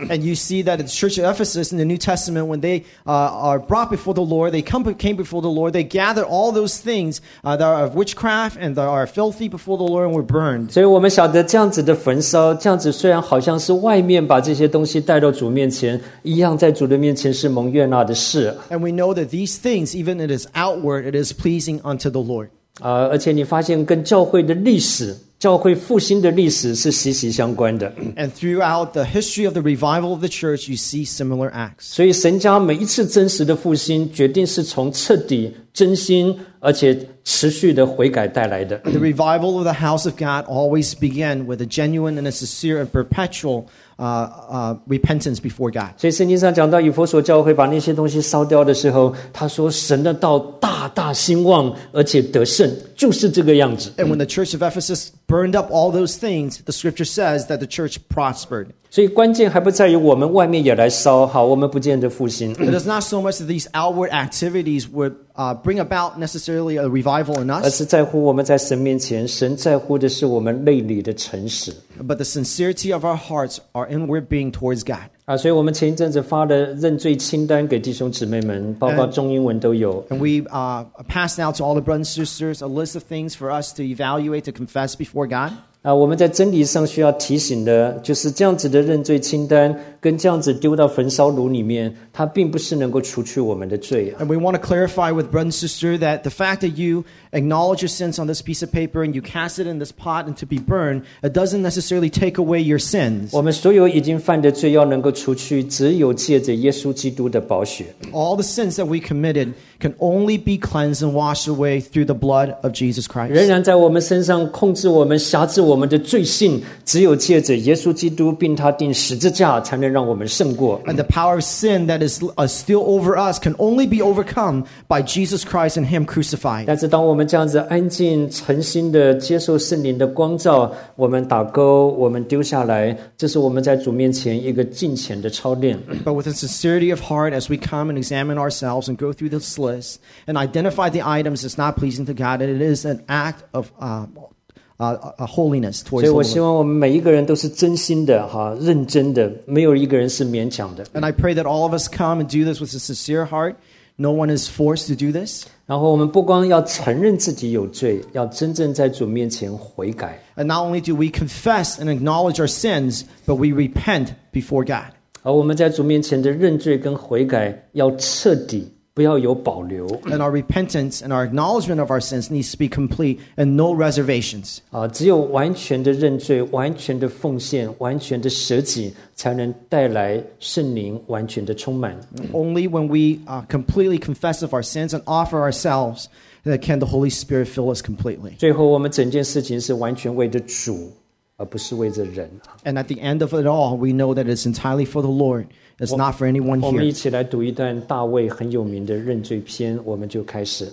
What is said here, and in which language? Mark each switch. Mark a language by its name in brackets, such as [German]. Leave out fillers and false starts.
[English] And you see that the church of Ephesus in the New Testament, when they are brought before the Lord, they came before the Lord, they gather all those things that are of witchcraft and that are filthy before the Lord and were burned. [Chinese] 所以我们晓得这样子的焚烧，这样子虽然好像是外面把这些东西带到主面前，一样在主的面前是蒙悦纳的事。 [English] And we know that these things, even it is outward, it is pleasing unto the Lord. [Chinese] 而且你发现跟教会的历史，教会复兴的历史是息息相关的。 [English] And throughout the history of the revival of the church, you see similar acts. [Chinese] 所以神家每一次真实的复兴，决定是从彻底真心而且持续的悔改带来的。 [English] The revival of the house of God always began with a genuine and a sincere and perpetual repentance before God. [Chinese] 所以圣经上讲到以弗所教会把那些东西烧掉的时候，他说神的道大大兴旺，而且得胜，就是这个样子。 [English] And when the church of Ephesus burned up all those things, the scripture says that the church prospered. [Chinese] 所以关键还不在于我们外面也来烧，好，我们不见得复兴。 [English] It is not so much that these outward activities would bring about necessarily a revival in us. [Chinese] 而是在乎我们在神面前，神在乎的是我们内里的诚实。 [English] But the sincerity of our hearts are inward being towards God. [Chinese] 所以我们前一阵子发的认罪清单给弟兄姊妹们，包括中英文都有。 [English] And we passed out to all the brothers and sisters a list of things for us to evaluate, to confess before God. [Chinese] 我们在真理上需要提醒的，就是这样子的认罪清单跟这样子丢到焚烧炉里面，它并不是能够除去我们的罪。 [English] And we want to clarify with brother and sister that the fact that you acknowledge your sins on this piece of paper and you cast it in this pot and to be burned, it doesn't necessarily take away your sins. [Chinese] 我们所有已经犯的罪要能够除去，只有借着耶稣基督的宝血。 [English] All the sins that we committed can only be cleansed and washed away through the blood of Jesus Christ. [Chinese] 仍然在我们身上控制我们、辖制我们的罪性，只有借着耶稣基督并他钉十字架才能。 [English] And the power of sin that is still over us can only be overcome by Jesus Christ and Him crucified. [Chinese] 但是当我们这样子安静、诚心的接受圣灵的光照，我们打勾，我们丢下来，这是我们在主面前一个敬虔的操练。 [English] But with a sincerity of heart, as we come and examine ourselves and go through this list and identify the items that's not pleasing to God, and it is an act of holiness towards the Lord. [Chinese] 所以我希望我们每一个人都是真心的、认真的，没有一个人是勉强的。 [English] And I pray that all of us come and do this with a sincere heart, No one is forced to do this. [Chinese] 然后我们不光要承认自己有罪，要真正在主面前悔改。 [English] And not only do we confess and acknowledge our sins, but we repent before God. [Chinese] 而我们在主面前的认罪跟悔改要彻底，不要有保留。 [English] And our repentance and our acknowledgement of our sins needs to be complete and no reservations. [Chinese] 只有完全的认罪，完全的奉献，完全的舍己，才能带来圣灵完全的充满。 [English] Only when we completely confess of our sins and offer ourselves, that can the Holy Spirit fill us completely. [Chinese] 最后我们整件事情是完全为着主，而不是为着人。 [English] And at the end of it all, we know that it's entirely for the Lord. It's not for anyone here. [Chinese] 我们一起来读一段大卫很有名的认罪篇，我们就开始。